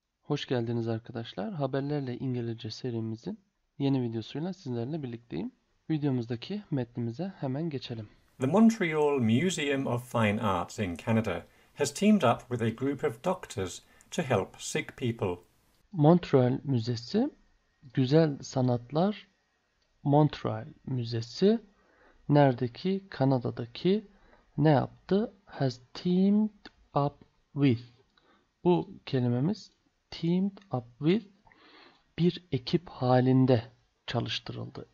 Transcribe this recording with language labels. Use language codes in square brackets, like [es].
[tr] Hoş geldiniz arkadaşlar. Haberlerle İngilizce serimizin yeni videosuyla sizlerle birlikteyim. Videomuzdaki metnimize hemen geçelim. [en] The Montreal Museum of Fine Arts in Canada has teamed up with a group of doctors to help sick people. [tr] Montreal Müzesi, Güzel Sanatlar Montreal Müzesi, neredeki? Kanada'daki. Ne yaptı? [en] Has teamed up with. [tr] Bu kelimemiz [en] teamed up with, [tr] bir ekip halinde çalıştırıldı.